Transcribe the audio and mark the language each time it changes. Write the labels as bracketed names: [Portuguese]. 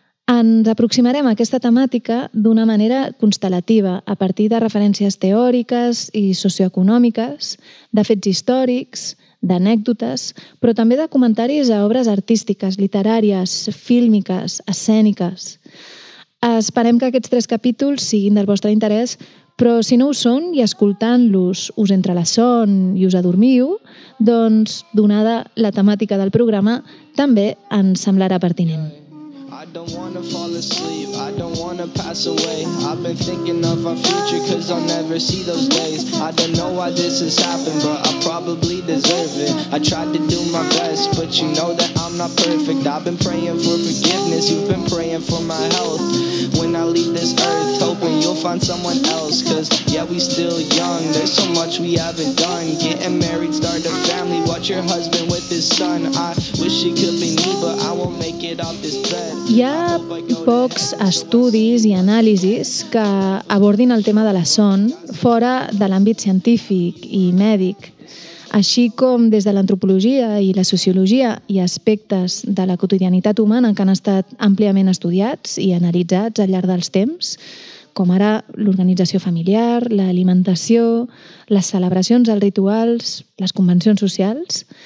[Catalan] Ens aproximarem a aquesta temàtica d'una manera constel·lativa, a partir de referències teòriques i socioeconòmiques, de fets històrics, d'anècdotes, però també de comentaris a obres artístiques, literàries, fílmiques, escèniques. Esperem que aquests 3 capítols siguin del vostre interès, però si no ho són i escoltant-los us entra la son i us adormiu, doncs, donada la temàtica del programa, també ens semblarà pertinent. [English] I don't wanna fall asleep, I don't wanna pass away. I've been thinking of our future cause I'll never see those days. I don't know why this has happened but I probably deserve it. I tried to do my best but you know that I'm not perfect. I've been praying for forgiveness, you've been praying for my health. When I leave this earth, hoping you'll find someone else. Cause yeah, we still young, there's so much we haven't done. Getting married, start a family, watch your husband with his son. I wish it could be me but I won't make it off this bed. [Catalan] Hi ha pocs estudis i anàlisis que abordin el tema de la son fora de l'àmbit científic i mèdic, així com des de l'antropologia i la sociologia i aspectes de la quotidianitat humana que han estat àmpliament estudiats i analitzats al llarg dels temps, com ara l'organització familiar, l'alimentació, les celebracions, els rituals, les convencions socials.